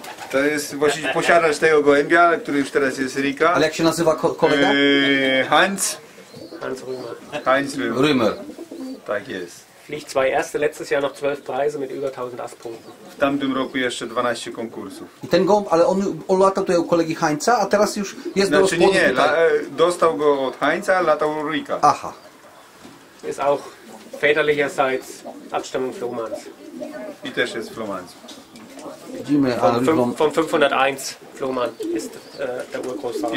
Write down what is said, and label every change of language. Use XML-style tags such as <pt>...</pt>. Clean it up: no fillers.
<pl>To jest właśnie posiadacz tego gołębia, który już teraz jest Rika. Ale jak się nazywa kolega? Hans. Hans Römer. Hans Römer. Römer. Tak jest.</pl> <de>Fliegt zwei erste, letztes Jahr noch 12 Preise mit über 1000 Asspunkten.</de> <pl>W tamtym roku jeszcze 12 konkursów. I ten gołąb, ale on latał tutaj u kolegi Hańca, a teraz już jest znaczy, do rozpłodu. Nie, dostał go od Hańca, latał u Rika. Aha.</pl> <de>Jest auch väterlicherseits Abstammung Flohmanns.</de> <pl>I też jest Flohmanns. Widzimy, von, ale...</pl> <de>Von 501 Flohmann ist der Urgroßvater.</de>